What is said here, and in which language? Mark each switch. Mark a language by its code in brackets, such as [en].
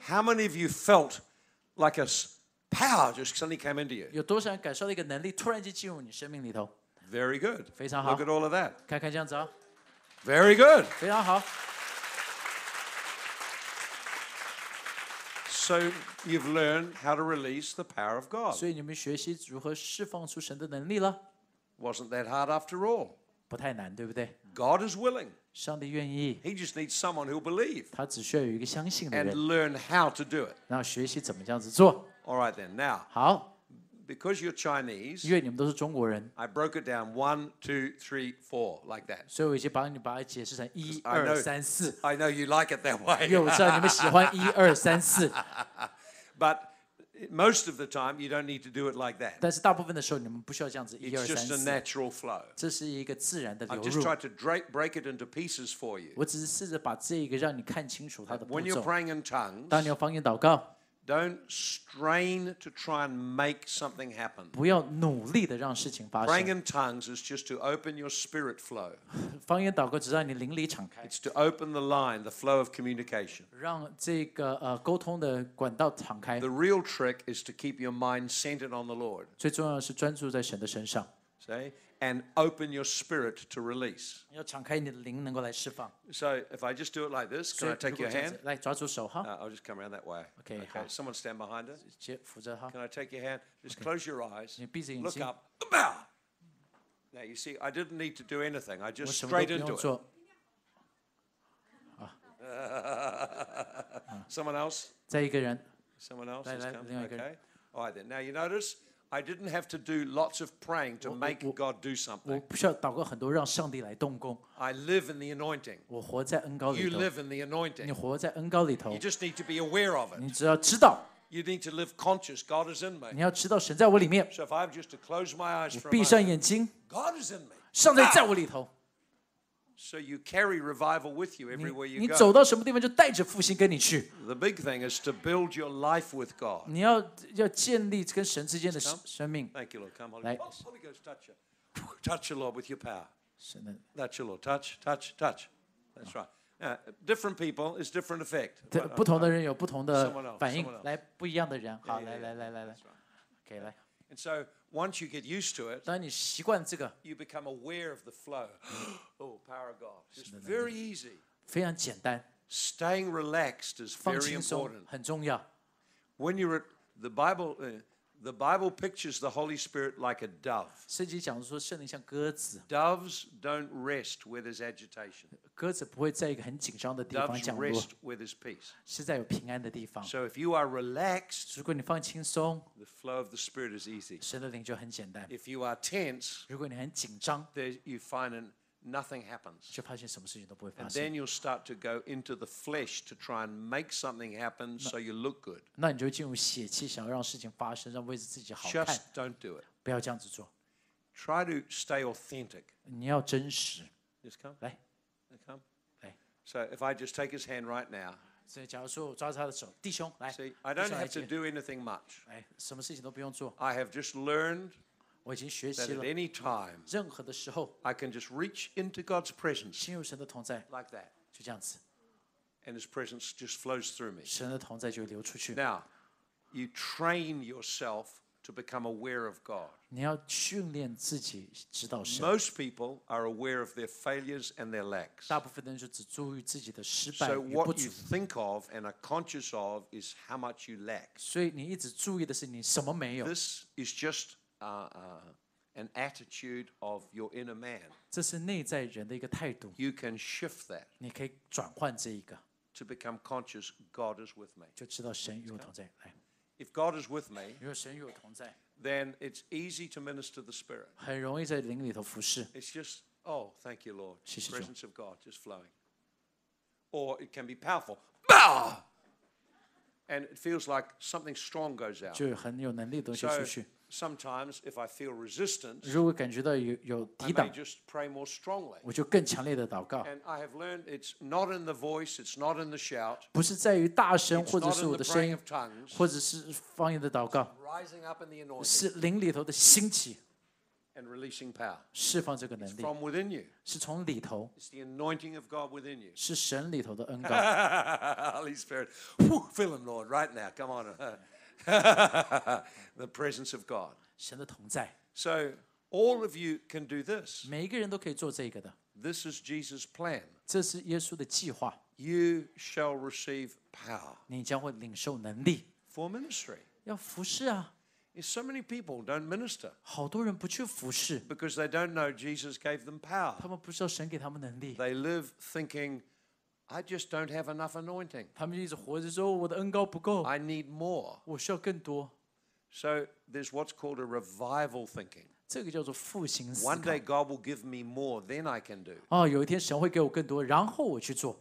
[en] how many of you felt like a power just suddenly came into you? [zh] 有多少人感受到一个能力突然间进入你生命里头 [en] Very good. [zh] 非常好。 [en] Look at all of that. [zh] 看看这样子啊。 [en] Very good. [zh] 非常好。 [en] So you've learned how to release the power of God. [zh] 所以你们学习如何释放出神的能力了。 [en] Wasn't that hard after all? [zh] 不太难，对不对 [en] ？God is willing. [zh] 上帝愿意。 [en] He just needs someone who believes. [zh] 他只需要有一个相信的人。 [en] And learn how to do it. [zh] 然后学习怎么这样子做。 [en] All right then. Now. [zh] 好。 [en] Because you're Chinese. [zh] 因为你们都是中国人。 [en] I broke it down one, two, three, four, like that. [zh] 所以我已经帮你把它解释成一二三四。 [en] I know you like it that way. [zh] 因为我知道你们喜欢一二三四。 [en] But most of the time, you don't need to do it like that. [zh] 但是大部分的时候，你们不需要这样子一二三四。 [en] It's just a natural flow. [zh] 这是一个自然的流入。 [en] I just tried to break it into pieces for you. [zh] 我只是试着把这一个让你看清楚它的步骤。 [en] When you're praying in tongues. [zh] 当你用方言祷告。 [en] Don't strain to try and make something happen. [zh] 不要努力的让事情发生 [en] Praying in tongues is just to open your spirit flow. [zh] 方言祷告只让你灵里敞开 [en] It's to open the line, the flow of communication. [zh] 让这个沟通的管道敞开 [en] The real trick is to keep your mind centered on the Lord. [zh] 最重要的是专注在神的身上 [en] See? And open your spirit to release. [zh] 要敞开你的灵能够来释放 [en] So if I just do it like this, can I take your hand? [zh] 来抓住手哈 [en] I'll just come around that way. Okay, okay. Someone stand behind her. [zh] 扶着哈 [en] Can I take your hand? Just close your eyes. [zh] 你闭着眼睛 [en] Look up. Bow! Now you see, I didn't need to do anything. I just straight into it. Someone else? [zh] 再一个人 [en] Someone else has come? Okay. All right then. Now you notice, I didn't have to do lots of praying to make God do something. [zh] 我不需要祷告很多让上帝来动工。 [en] I live in the anointing. [zh] 我活在恩膏里头。 [en] You live in the anointing. [zh] 你活在恩膏里头。 [en] You just need to be aware of it. [zh] 你只要知道。 [en] You need to live conscious. God is in me. [zh] 你要知道神在我里面。 [en] So if I'm just to close my eyes for a moment, [zh] 闭上眼睛。 [en] God is in me. [zh] 上帝在我里头。 [en] So you carry revival with you everywhere you go. [zh] 你走到什么地方就带着复兴跟你去。 [en] The big thing is to build your life with God. [zh] 你要建立跟神之间的生命。 [en] Thank you, Lord. Come, Holy Ghost, touch you. Touch you, Lord, with your power. That's your Lord. Touch, touch, touch. That's right. Different people is different effect. [zh] 不同的人有不同的反应。来，不一样的人。好，来来来来来。 [en] Okay, [zh] 来。 [en] And so once you get used to it, [zh] 当你习惯这个, [en] you become aware of the flow. Oh, power of God. It's very easy. [zh] 非常简单。 [en] Staying relaxed is very important. [zh] 很重要。 [en] When you're at the Bible pictures the Holy Spirit like a dove. [zh] 圣经讲说圣灵像鸽子。 [en] Doves don't rest where there's agitation. [zh] 鸽子不会在一个很紧张的地方降落。 [en] Doves rest where there's peace. [zh] 是在有平安的地方。 [en] So if you are relaxed, [zh] 如果你放轻松, [en] the flow of the Spirit is easy. [zh] 神的灵就很简单。 [en] If you are tense, [zh] 如果你很紧张, [en] you find nothing happens. [zh] 就发现什么事情都不会发生。 [en] And then you'll start to go into the flesh to try and make something happen so you look good. [zh] 那你就进入血气，想要让事情发生，让为自己好看。 [en] Just don't do it. [zh] 不要这样子做。 [en] Try to stay authentic. [zh] 你要真实。 [en] Just come. [zh] 来。 [en] So if I just take his hand right now, [zh] 假如说我抓着他的手，弟兄来。 [en] See, I don't have to do anything much. [zh] 哎，什么事情都不用做。 [en] I have just learned, [zh] 我已经学习了。 [en] That at any time, [zh] 任何的时候 [en] ，I can just reach into God's presence, [zh] 进入神的同在 [en] ，like that, [zh] 就这样子。 [en] And His presence just flows through me. [zh] 神的同在就流出去。 [en] Now, you train yourself to become aware of God. [zh] 你要训练自己知道神。 [en] Most people are aware of their failures and their lacks. [zh] 大部分人就只注意自己的失败与不足。 [en] So what you think of and are conscious of is how much you lack. [zh] 所以你一直注意的是你什么没有。 [en] This is just an attitude of your inner man. [zh] 这是内在人的一个态度。 [en] You can shift that. [zh] 你可以转换这一个。 [en] To become conscious, God is with me. [zh] 就知道神与我同在。来。 [en] If God is with me, [zh] 如果神与我同在, [en] then it's easy to minister the Spirit. [zh] 很容易在灵里头服事。 [en] It's just, oh, thank you, Lord. [zh] 谢谢主。 [en] The presence of God just flowing. Or it can be powerful. Bah! And it feels like something strong goes out. [zh] 就很有能力的东西出去。 [en] Sometimes if I feel resistance, [zh] 如果感觉到有抵挡, [en] I may just pray more strongly. [zh] 我就更强烈的祷告。 [en] And I have learned it's not in the voice, it's not in the shout. [zh] 不是在于大声或者是我的声音, [en] it's not in the praying of tongues, [zh] 或者是方言的祷告。 [en] It's rising up in the anointing. [zh] 是灵里头的兴起。 [en] And releasing power. [zh] 释放这个能力。 [en] It's from within you. [zh] 是从里头。 [en] It's the anointing of God within you. [zh] 是神里头的恩膏。 [en] Holy Spirit, fill him, Lord, right now. Come on. The presence of God. [zh] 神的同在。 [en] So all of you can do this. [zh] 每一个人都可以做这个的。 [en] This is Jesus' plan. [zh] 这是耶稣的计划。 [en] You shall receive power. [zh] 你将会领受能力。 [en] For ministry. [zh] 要服事啊。 [en] So many people don't minister. [zh] 好多人不去服事。 [en] Because they don't know Jesus gave them power. [zh] 他们不知道神给他们能力。 [en] They live thinking, I just don't have enough anointing. [zh] 他们一直活着说，我的恩膏不够。 [en] I need more. [zh] 我需要更多。 [en] So there's what's called a revival thinking. [zh] 这个叫做复兴思考。 [en] One day God will give me more, then I can do. [zh] 哦，有一天神会给我更多，然后我去做。